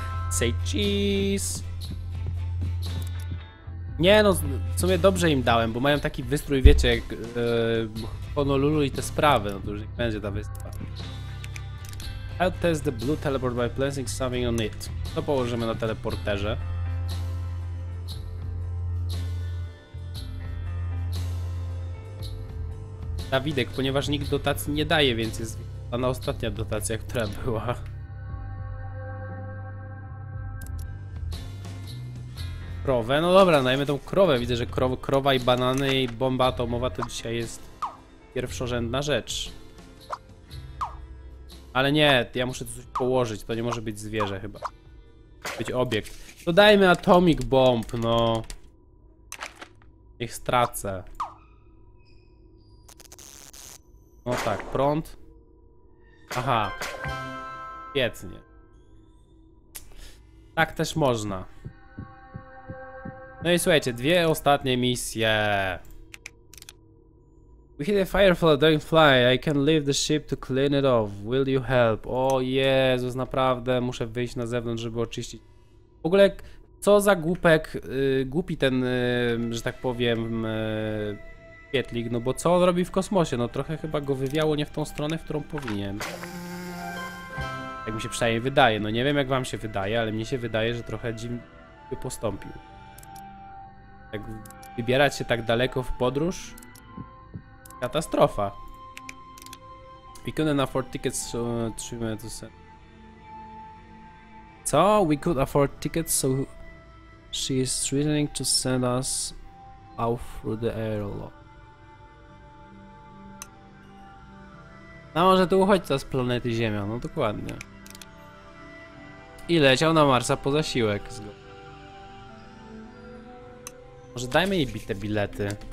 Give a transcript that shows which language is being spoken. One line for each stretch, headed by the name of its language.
English: Say cheese.
Polish: Nie no, w sumie dobrze im dałem, bo mają taki wystrój, wiecie, jak Honolulu i te sprawy, no to już niech będzie ta wyspa.
English: I'll test the blue teleport by placing something on it.
Polish: To położymy na teleporterze. Dawidek, ponieważ nikt dotacji nie daje, więc jest ta ostatnia dotacja, która była. Krowę, no dobra, dajmy tą krowę. Widzę, że krowa i banany i bomba atomowa to dzisiaj jest pierwszorzędna rzecz. Ale nie, ja muszę coś położyć, to nie może być zwierzę chyba. Być obiekt. To dajmy
English: atomic bomb,
Polish: no. Niech stracę. No tak, prąd. Aha. Świetnie. Tak też można. No i słuchajcie, dwie ostatnie misje.
English: We hit a firefly, don't fly. I can leave the ship to clean it off. Will you help?
Polish: O Jezus, naprawdę muszę wyjść na zewnątrz, żeby oczyścić. W ogóle, co za głupi ten, że tak powiem, świetlik, no bo co on robi w kosmosie? No trochę chyba go wywiało nie w tą stronę, w którą powinien. Jak mi się przynajmniej wydaje. No nie wiem, jak wam się wydaje, ale mnie się wydaje, że trochę dziwnie postąpił. Jak wybierać się tak daleko w podróż? Katastrofa.
English: We couldn't afford tickets, so
Polish: trzymaj to sen. Co?
English: We could afford tickets, so she is threatening to send us out through the airlock.
Polish: No może tu uchodźca z planety Ziemia, no dokładnie. I leciał na Marsa po zasiłek. Może dajmy jej bite bilety.